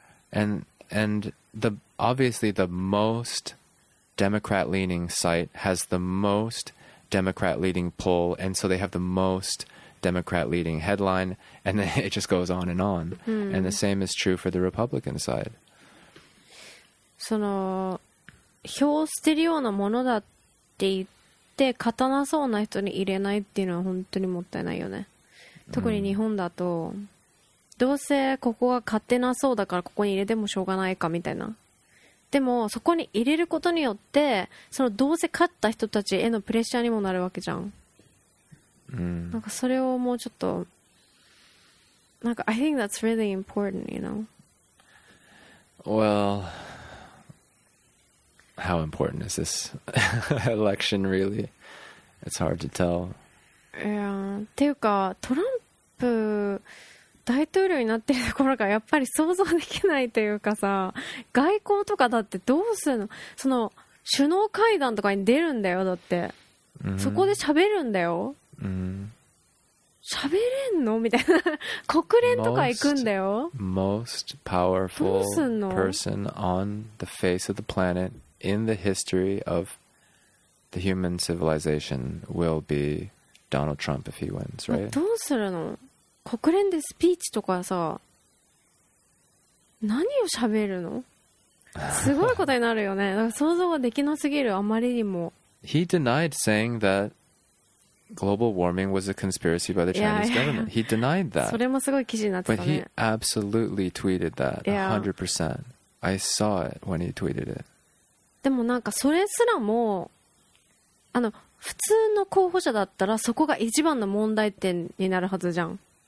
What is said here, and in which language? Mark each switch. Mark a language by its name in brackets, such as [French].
[English] And the obviously the most Democrat-leaning site has the most Democrat leading poll, and so they have the most Democrat leading headline, and then it just goes on and on. And the same is true for the Republican side. [Japanese] その票を捨てるようなものだって言って勝たなそうな人に入れないっていうのは本当にもったいないよね。特に日本だと、どうせここが勝てなそうだからここに入れてもしょうがないかみたいな。でもそこに入れることによって、そのどうせ勝った人たちへのプレッシャーにもなるわけじゃん。なんかそれをもうちょっと、なんか [English] I think that's really important, you know. Well, how important is this election really? It's hard to tell. Yeah. [Japanese] っていうか、トランプ大統領になってるところがやっぱり想像できないというかさ、外交とかだってどうするの？その首脳会談とかに出るんだよ、だって、そこで喋るんだよ、喋れんのみたいな、国連とか行くんだよ。 [English] most powerful person on the face of the planet in the history of the human civilization will be Donald Trump if he wins, right? [Japanese] どうするの？国連でスピーチとかさ、何を喋るの？すごいことになるよね。だから想像ができなすぎる、あまりにも。 [English] He denied saying that global warming was a conspiracy by the Chinese government. He denied that. [Japanese] それもすごい記事になってたね。 [English] But he absolutely tweeted that, 100%. I saw it when he tweeted it. [Japanese] でもなんかそれすらも、普通の候補者だったらそこが一番の問題点になるはずじゃん。